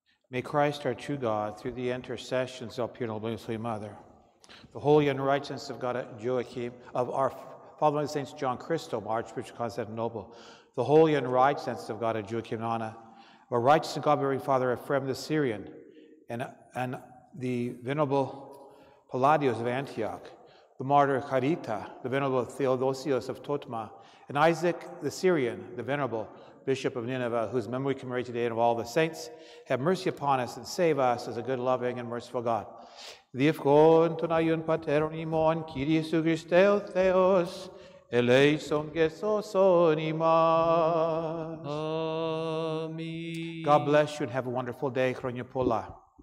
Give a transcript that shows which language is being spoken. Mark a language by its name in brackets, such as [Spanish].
[English] May Christ our true God, through the intercessions of Pure Noble Holy Mother, the holy and righteousness of God Joachim, of our following saints John Christom, Archbishop of Constantinople, the holy and righteousness of God Joachim Nana, the righteous and God-bearing Father Ephrem the Syrian, and the venerable Palladios of Antioch, the martyr Carita, the venerable Theodosios of Totma, and Isaac the Syrian, the venerable Bishop of Nineveh, whose memory commemorates today and of all the saints, have mercy upon us and save us as a good, loving, and merciful God. [Greek] Διευκόν τον Άγιον Πατέρον ημών, Κύριε Ιησού Χριστέ ο Θεός, ελέησον και σώσον ημάς. Αμήν. [English] God bless you and have a wonderful day. [Greek] Χρόνια πολλά.